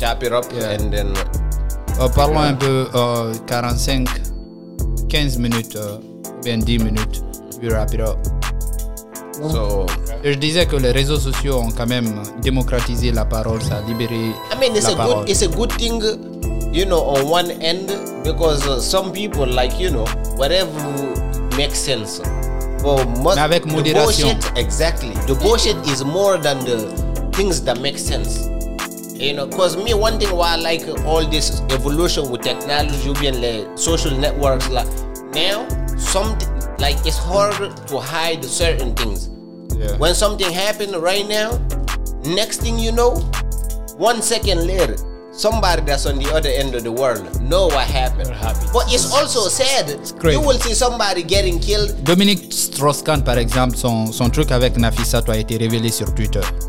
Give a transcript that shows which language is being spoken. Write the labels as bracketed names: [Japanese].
[English] Chop it up and then. [French] Parlons un peu 45, 15 minutes, bien 10 minutes. [English] We wrap it up. So, [French] je disais que les réseaux sociaux ont quand même démocratisé la parole, ça a libéré la parole. [English] It's a good thing. You know, on one end, because some people like, you know, whatever makes sense. But [French] avec modération. [English] The bullshit, exactly. The bullshit is more than the things that make sense. You know, because me, one thing why I like all this evolution with technology, being like social networks, like now, something, like it's hard to hide certain things. Yeah. When something happened right now, next thing you know, 1 second later, somebody that's on the other end of the world know what happened. But it's also sad. It's crazy. You will see somebody getting killed. [French] Dominique Strauss-Kahn, par exemple, son truc avec Nafissa a été révélé sur Twitter.